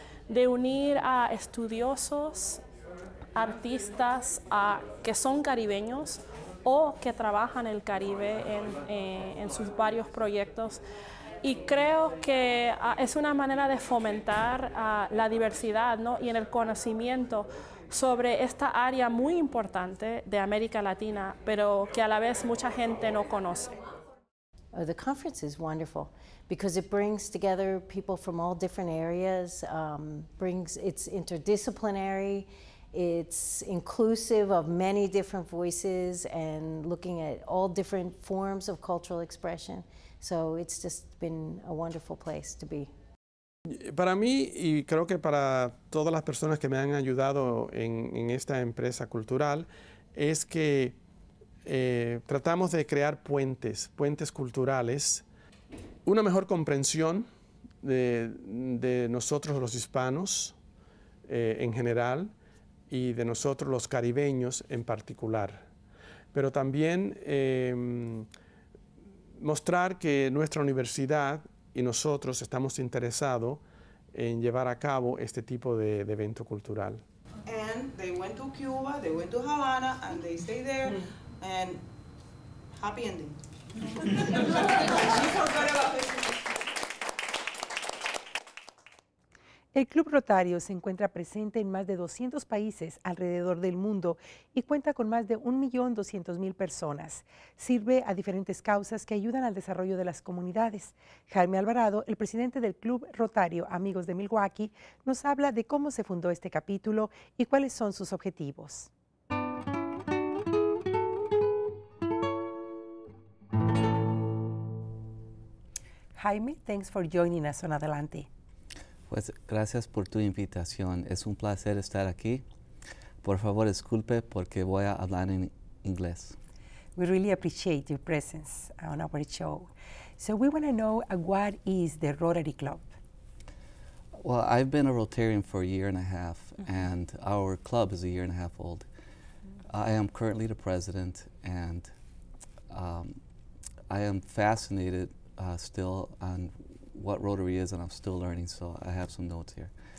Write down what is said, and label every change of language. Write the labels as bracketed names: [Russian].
[Spanish] De unir a estudiosos, artistas que son caribeños o que trabajan el Caribe en sus varios proyectos. Y creo que es una manera de fomentar la diversidad, ¿no? Y en el conocimiento sobre esta área muy importante de América Latina, pero que a la vez mucha gente no conoce. [English] Oh, the conference is wonderful because it brings together people from all different areas. It's interdisciplinary, it's inclusive of many different voices and looking at all different forms of cultural expression. So it's just been a wonderful place to be. [Spanish] Para mí y creo que para todas las personas que me han ayudado en esta empresa cultural es que tratamos de crear puentes culturales, una mejor comprensión de nosotros los hispanos en general y de nosotros los caribeños en particular. Pero también mostrar que nuestra universidad y nosotros estamos interesados en llevar a cabo este tipo de evento cultural. [English] And they went to Cuba, they went to Havana, and they stayed there. Mm. And happy ending. She felt good about this. [Spanish] El Club Rotario se encuentra presente en más de 200 países alrededor del mundo y cuenta con más de 1,200,000 personas. Sirve a diferentes causas que ayudan al desarrollo de las comunidades. Jaime Alvarado, el presidente del Club Rotario Amigos de Milwaukee, nos habla de cómo se fundó este capítulo y cuáles son sus objetivos. [English] Jaime, thanks for joining us on Adelante. [Spanish] Pues gracias por tu invitación. Es un placer estar aquí. Por favor, disculpe porque voy a hablar en inglés. [English] We really appreciate your presence on our show. So we want to know what is the Rotary Club? Well, I've been a Rotarian for a year and a half, and our club is a year and a half old. I am currently the president, and I am fascinated still on what Rotary is, and I'm still learning, so I have some notes here.